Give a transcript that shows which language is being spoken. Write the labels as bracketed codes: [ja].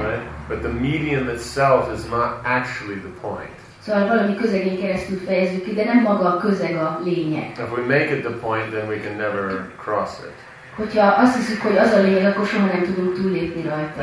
[en] Right? But the medium itself is not actually the point. [hu] Szóval valami közegén keresztül fejezzük ki, de nem maga a közeg a lényeg. [en] If we make it the point, then we can never cross it. [hu] Hogyha azt hiszük, hogy az a lényeg, akkor soha nem tudunk túllépni rajta.